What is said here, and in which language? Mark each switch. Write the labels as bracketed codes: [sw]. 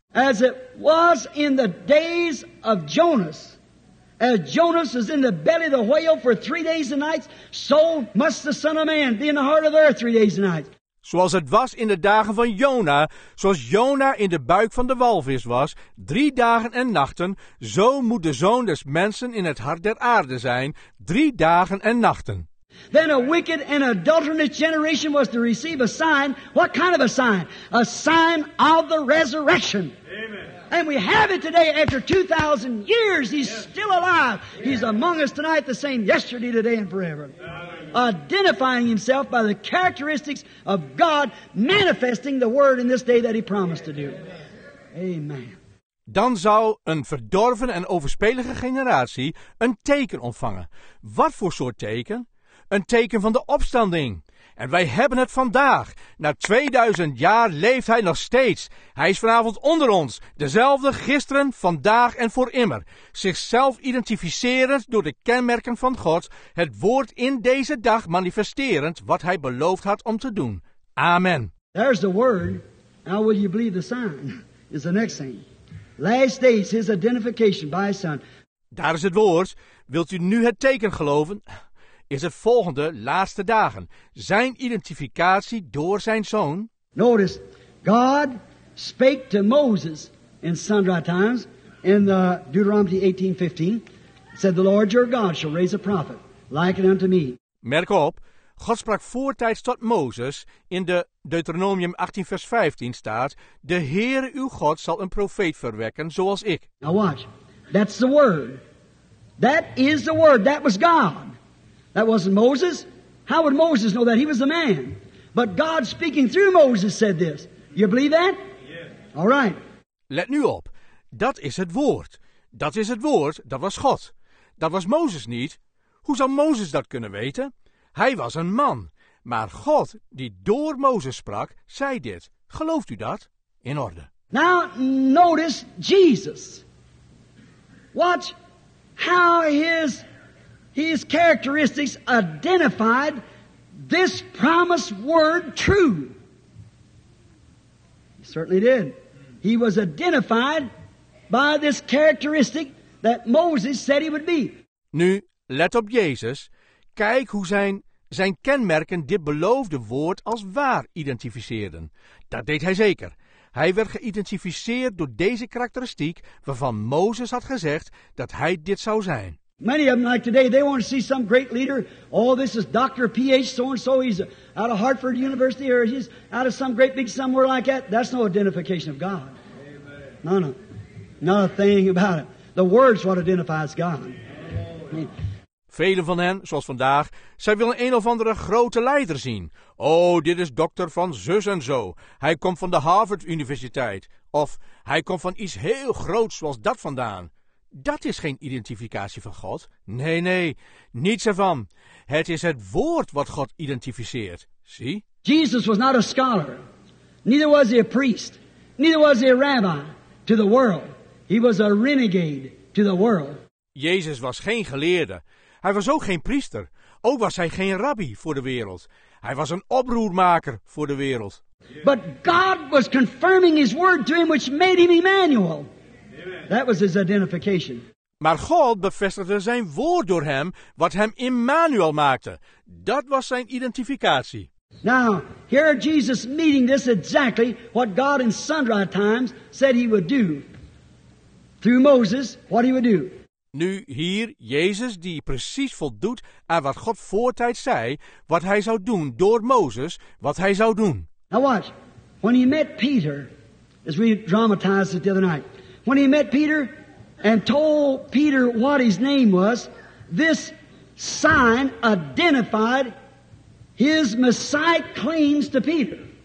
[en] As it was in the days of Jonas. As Jonas was in the belly of the whale for 3 days and nights, so must the Son of Man be in the heart of the earth 3 days and nights. [nl] Zoals het was in de dagen van Jona, zoals Jona in de buik van de walvis was, 3 dagen en nachten, zo moet de Zoon des Mensen in het hart der aarde zijn, 3 dagen en nachten. [en] Then a wicked and adulterous generation was to receive a sign. What kind of a sign? A sign of the resurrection. Amen. And we have it today after 2,000 years. He's yes. Still alive. Yes. He's among us tonight, the same yesterday, today, and forever. Amen. Identifying himself by the characteristics of God, manifesting the word in this day that he promised Amen. To do. Amen. [nl] Dan zou een verdorven en overspelige generatie een teken ontvangen. Wat voor soort teken? Een teken van de opstanding. En wij hebben het vandaag. Na 2000 jaar leeft hij nog steeds. Hij is vanavond onder ons. Dezelfde gisteren, vandaag en voor immer. Zichzelf identificerend door de kenmerken van God. Het woord in deze dag manifesterend wat hij beloofd had om te doen. Amen. [en] There's the word. How will you believe the sign? Is the next thing. Last days, his identification by his son. [nl] Daar is het woord. Wilt u nu het teken geloven? Is het volgende laatste dagen zijn identificatie door zijn zoon? [en] Notice, God spake to Moses in sundry times in the Deuteronomy 18:15, said the Lord your God shall raise a prophet like it unto me. [nl] Merk op, God sprak voortijds tot Mozes in de Deuteronomium 18 vers 15 staat, de Heer uw God zal een profeet verwekken zoals ik. [en] Now watch, that's the word. That is the word. That was God. That wasn't Moses. How would Moses know that? He was a man. But God speaking through Moses said this. You believe that? Yes. All right. [nl] Let nu op. Dat is het woord. Dat is het woord. Dat was God. Dat was Mozes niet. Hoe zou Mozes dat kunnen weten? Hij was een man. Maar God, die door Mozes sprak, zei dit. Gelooft u dat? In orde. [en] Now notice Jesus. Watch how his... His characteristics identified this promised word true. He certainly did. He was identified by this characteristic that Moses said he would be. [nl] Nu, let op Jezus. Kijk hoe zijn kenmerken dit beloofde woord als waar identificeerden. Dat deed hij zeker. Hij werd geïdentificeerd door deze karakteristiek waarvan Mozes had gezegd dat hij dit zou zijn. [en] Many of them, like today, they want to see some great leader. Oh, this is Dr. P.H. so-and-so. He's out of Hartford University, or he's out of some great big somewhere like that. That's no identification of God. Amen. No, no. Not a thing about it. The word's what identifies God. Amen. [nl] Velen van hen, zoals vandaag, zij willen een of andere grote leider zien. Oh, dit is dokter van zus en zo. Hij komt van de Harvard Universiteit. Of hij komt van iets heel groots zoals dat vandaan. Dat is geen identificatie van God. Nee, nee, niets ervan. Het is het woord wat God identificeert. Zie? [en] Jesus was not a scholar. Neither was he a priest. Neither was he a rabbi to the world. He was a renegade to the world. [nl] Jezus was geen geleerde. Hij was ook geen priester. Ook was hij geen rabbi voor de wereld. Hij was een oproermaker voor de wereld. [en] But God was confirming his word to him, which made him Emmanuel. That was his identification. [nl] Maar God bevestigde zijn woord door hem, wat hem Emmanuel maakte. Dat was zijn identificatie. [en] Now, here Jesus meeting this exactly what God in sundry times said he would do. Through Moses, what he would do. [nl] Nu hier Jezus die precies voldoet aan wat God voortijd zei, wat hij zou doen door Mozes, wat hij zou doen. [en] Now watch, when he met Peter, as we dramatized it the other night, when he met Peter and told Peter what his name was, this sign identified his Messiah claims to Peter.